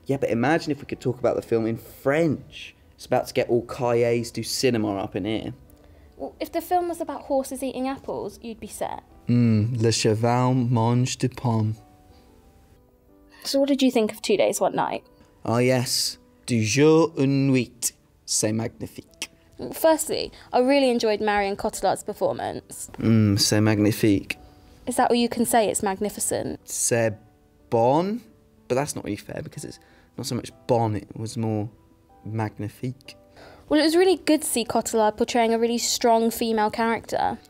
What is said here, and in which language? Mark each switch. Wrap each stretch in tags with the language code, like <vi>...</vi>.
<en>Yeah, but imagine if we could talk about the film in French. It's about to get all cahiers du cinéma up in here. Well, if the film was about horses eating apples, you'd be set.</en> <fr>Le cheval mange de pomme.</fr> <en>So what did you think of 2 days, one night? Oh yes,</en> <fr>du jour une nuit, c'est magnifique.</fr> <en>Well, firstly, I really enjoyed Marion Cotillard's performance.</en> <fr>C'est magnifique.</fr> <en>Is that all you can say? It's magnificent.</en> <fr>C'est bon,</fr> <en>but that's not really fair because it's not so much bon, it was more magnifique. Well, it was really good to see Cotillard portraying a really strong female character.</en>